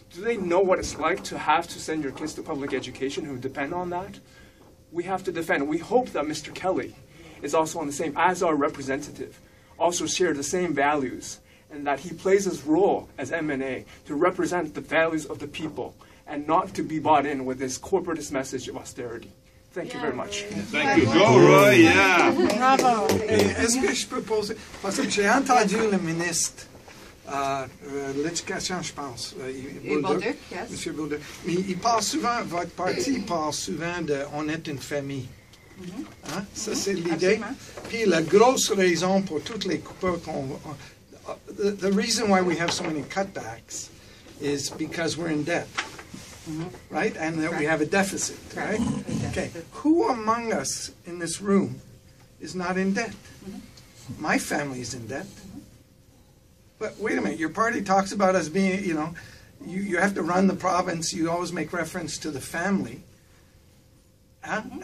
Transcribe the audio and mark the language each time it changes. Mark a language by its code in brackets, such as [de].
[en] Do they know what it's like to have to send your kids to public education who depend on that? We have to defend. We hope that Mr. Kelley is also on the same as our representative. Also share the same values, and that he plays his role as MNA to represent the values of the people and not to be bought in with this corporatist message of austerity. Thank you very much. Thank you. Go Roy, Bravo. [fr] Est-ce que je peux poser, parce que j'ai entendu le ministre de l'éducation, je pense. Monsieur Boulder. Il parle souvent, votre parti parle souvent de « on est une famille ». Mm-hmm. Hein? Ça, mm-hmm. c'est l'idée. Absolument. Puis la grosse raison pour toutes les coupes qu'on... [en] The reason why we have so many cutbacks is because we're in debt, mm-hmm. right? And that we have a deficit, Correct. Right? Okay. Who among us in this room is not in debt? Mm-hmm. My family is in debt. Mm-hmm. But wait a minute, your party talks about us being, you know, you have to run the province, you always make reference to the family. Huh? Mm-hmm.